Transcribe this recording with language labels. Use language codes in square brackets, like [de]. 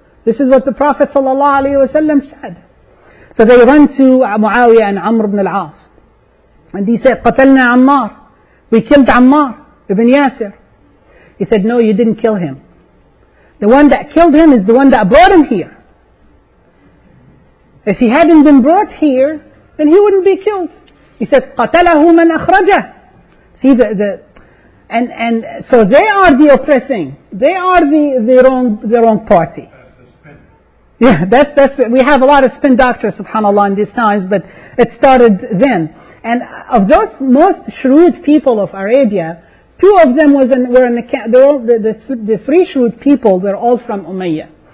[en] This is what the Prophet ﷺ said. So they run to Muawiyah and Amr ibn al-As. And he said, [ar] قَتَلْنَا [en] Ammar. We killed Ammar ibn Yasir. He said, no, you didn't kill him. The one that killed him is the one that brought him here. If he hadn't been brought here, then he wouldn't be killed. He said, [ar] قَتَلَهُ مَنْ أَخْرَجَهُ. [en] See, and so they are the oppressing. They are the wrong party. That's the spin. We have a lot of spin doctors, subhanAllah, in these times, but it started then. And of those most shrewd people of Arabia, two of them were the three shrewd people, they're all from Umayyah.